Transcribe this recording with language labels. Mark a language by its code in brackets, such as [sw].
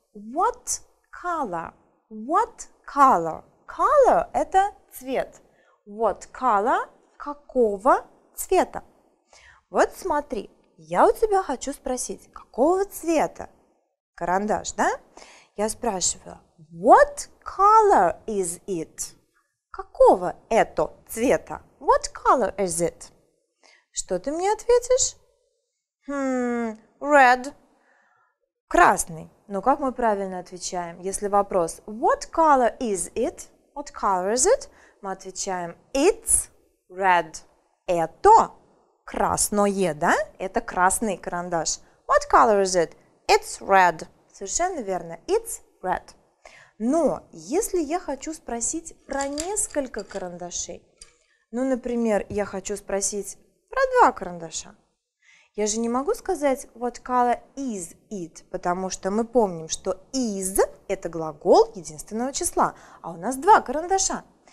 [en] What color? What color? [ru] Color – это цвет. [en] What color? [ru] Какого цвета? Вот смотри, я у тебя хочу спросить, какого цвета карандаш, да? Я спрашиваю, [en] what color is it? [ru] Какого это цвета? [en] What color is it? [ru] Что ты мне ответишь? Red. Красный. Ну, как мы правильно отвечаем? Если вопрос, [en] what color is it? What color is it? [ru] Мы отвечаем, [en] it's red. [ru] Это красное, да? Это красный карандаш. [en] What color is it? It's red. [ru] Совершенно верно. [en] It's red. [ru] Но если я хочу спросить про несколько карандашей, ну, например, я хочу спросить про два карандаша, я же не могу сказать [en] what color is it, [ru] потому что мы помним, что is – это глагол единственного числа, а у нас два карандаша.